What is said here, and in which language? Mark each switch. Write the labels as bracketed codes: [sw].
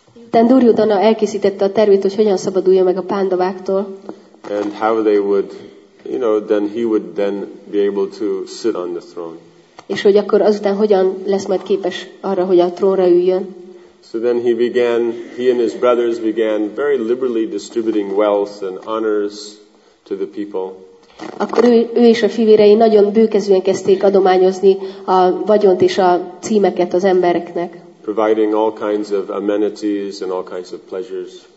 [hu] Then Duryodhana elkészítette a tervét, hogy hogyan szabadulja meg a Pandaváktól. [en] And how they would, you know, then he would then be able to sit on the throne. [hu] És hogy akkor azután hogyan lesz majd képes arra, hogy a trónra üljön. [en] So then he began, he and his brothers began very liberally distributing wealth and honors to the people. [hu] Akkor ő és a fivérei nagyon bőkezűen kezdték adományozni a vagyont és a címeket az embereknek. [en] Providing all kinds of amenities and all kinds of pleasures.